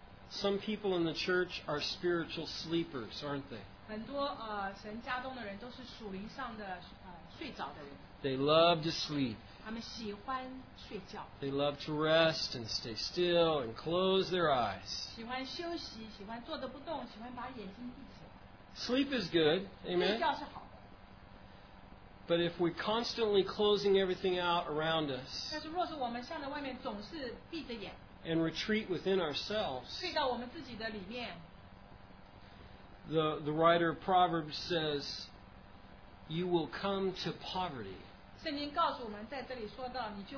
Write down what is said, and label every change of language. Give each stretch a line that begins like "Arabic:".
English: Some people in the church are spiritual sleepers, aren't they?
Chinese: 很多, 神家中的人都是属灵上的, 睡着的人。
English: They love to sleep.
Chinese: 他们喜欢睡觉。
English: They love to rest and stay still and close their eyes.
Chinese: 喜欢休息, 喜欢坐得不动, 喜欢把眼睛闭起来。
English: Sleep is good, amen?
Chinese: 睡觉是好的。
English: But if we're constantly closing everything out around us,
Chinese: 但是若是我们向着外面总是闭着眼,
English: and retreat within ourselves,
Chinese: 睡到我们自己的里面,
English: the writer of Proverbs says, you will come to poverty.
Chinese: 圣经告诉我们在这里说到,